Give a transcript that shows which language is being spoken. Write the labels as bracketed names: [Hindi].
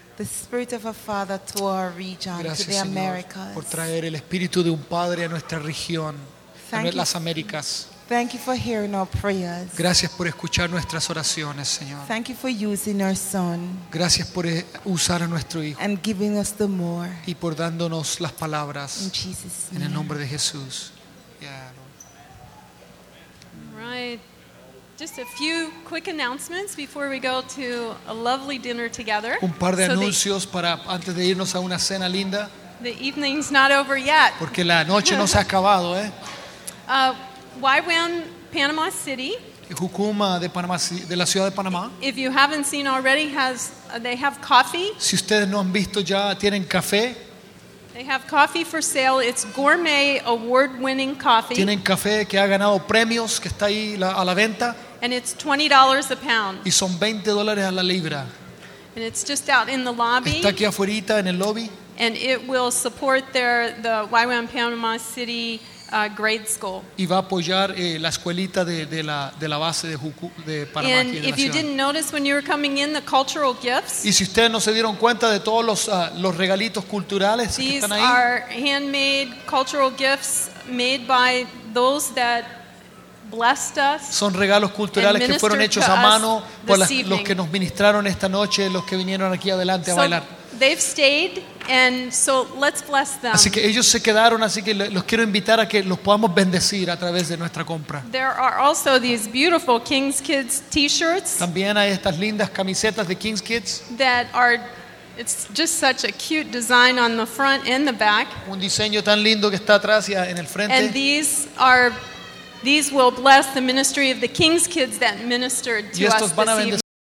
[English] the spirit of a father to our region, [Spanish] gracias, [English] to the [Spanish] Señor, [English] Americas. [Spanish] Por traer el espíritu de un padre a nuestra región, [English] thank [Spanish] a las Américas. [English] Thank you for hearing our prayers. [Spanish] Gracias por escuchar nuestras oraciones, Señor. [English] Thank you for using our son. [Spanish] Gracias por usar a nuestro hijo. [English] And giving us the more. [Spanish] Y por dándonos las palabras. [English] In Jesus' name. [Spanish] En el nombre de Jesús. Yeah. [English] Right. Just a few quick announcements before we go to a lovely dinner together. [Spanish] Un par de anuncios para antes de irnos a una cena linda. [English] The evening's not over yet. [Spanish] Porque la noche no se ha acabado, [English] YWAM Panama City. [Spanish] Jucuma de Panamá, de la ciudad de Panamá. [English] If you haven't seen already, they have coffee. [Spanish] Si ustedes no han visto ya, tienen café. [English] They have coffee for sale. It's gourmet, award-winning coffee. [Spanish] Tienen café que ha ganado premios, que está ahí a la venta. [English] And it's $20 a pound. [Spanish] Y son $20 a la libra. [English] And it's just out in the lobby. [Spanish] Está aquí afuerita en el lobby. [English] And it will support the YWAM Panama City grade school. [Spanish] Y va a apoyar la escuelita de la base de Panamá. [English] And if you didn't notice when you were coming in, the cultural gifts. [Spanish] Y si ustedes no se dieron cuenta de todos los regalitos culturales que están ahí. [English] These are handmade cultural gifts made by those that blessed us. [Spanish] Son regalos culturales que fueron hechos a mano por los que nos ministraron esta noche, los que vinieron aquí adelante a bailar. [English] They've stayed, and so let's bless them. [Spanish] Así que ellos se quedaron, así que los quiero invitar a que los podamos bendecir a través de nuestra compra. [English] There are also these beautiful King's Kids T-shirts. [Spanish] También hay estas lindas camisetas de King's Kids. [English] That are, it's just such a cute design on the front and the back. [Spanish] Un diseño tan lindo que está atrás y en el frente. [English] And these will bless the ministry of the King's Kids that ministered to us this evening.